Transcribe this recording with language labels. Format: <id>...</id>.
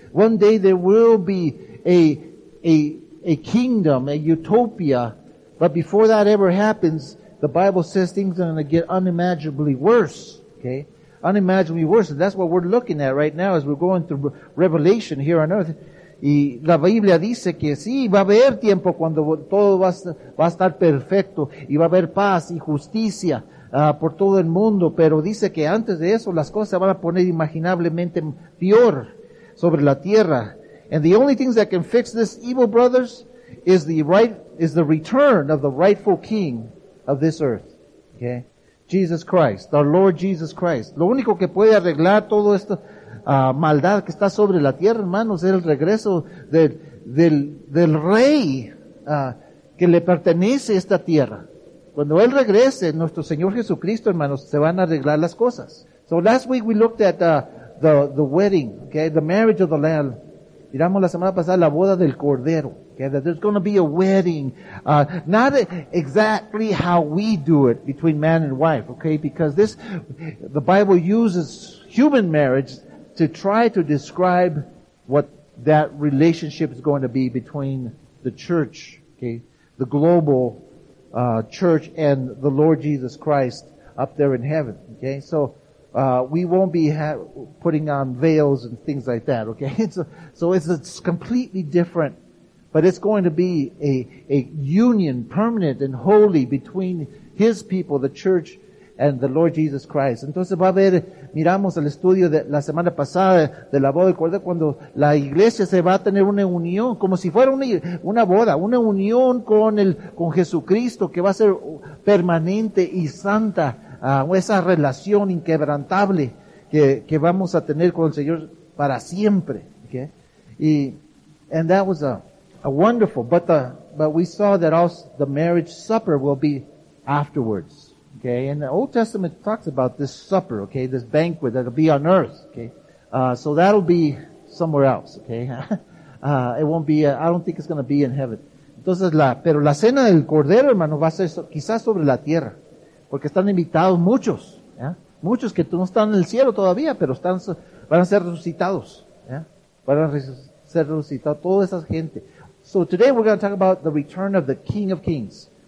<en>One day there will be a kingdom, a utopia. But before that ever happens, the Bible says things are going to get unimaginably worse. Okay? Unimaginably worse. And that's what we're looking at right now as we're going through Revelation here on earth.</en> <es>Y la Biblia dice que sí, va a haber tiempo cuando todo va a estar perfecto y va a haber paz y justicia por todo el mundo, pero dice que antes de eso las cosas se van a poner imaginablemente peor sobre la tierra.</es> <en>And the only things that can fix this evil, brothers, is the return of the rightful king of this earth. Okay? Jesus Christ, our Lord Jesus Christ.</en> <es>Lo único que puede arreglar todo esto maldad que está sobre la tierra, hermanos, es el regreso del rey que le pertenece esta tierra. Cuando Él regrese, nuestro Señor Jesucristo, hermanos, se van a arreglar las cosas.</es> <en>So last week we looked at the wedding, okay, the marriage of the Lamb.</en> <es>Miramos la semana pasada la boda del Cordero, okay,</es> <en>that there's going to be a wedding. Not exactly how we do it between man and wife, okay, because the Bible uses human marriage to try to describe what that relationship is going to be between the church, okay, the global church and the Lord Jesus Christ up there in heaven, okay? So we won't be putting on veils and things like that, okay? So it's completely different, but it's going to be a union, permanent and holy, between His people, the church, and the Lord Jesus Christ.</en> <es>Entonces va a haber, miramos el estudio de la semana pasada de la boda del Cordero, cuando la iglesia se va a tener una unión, como si fuera una boda, una unión con Jesucristo, que va a ser permanente y santa, esa relación inquebrantable que vamos a tener con el Señor para siempre.</es> <en>Okay? And that was a wonderful, but we saw that also the marriage supper will be afterwards. Okay, and the Old Testament talks about this supper, okay, this banquet that'll be on earth, okay. So that'll be somewhere else, okay. I don't think it's gonna be in heaven.</en> <es>Entonces pero la cena del Cordero, hermano, va a ser quizás sobre la tierra. Porque están invitados muchos, ¿eh? Muchos que no están en el cielo todavía, pero van a ser resucitados, ¿eh? Van a ser resucitados toda esa gente.</es> <en>So today we're gonna talk about the return of the King of Kings.</en>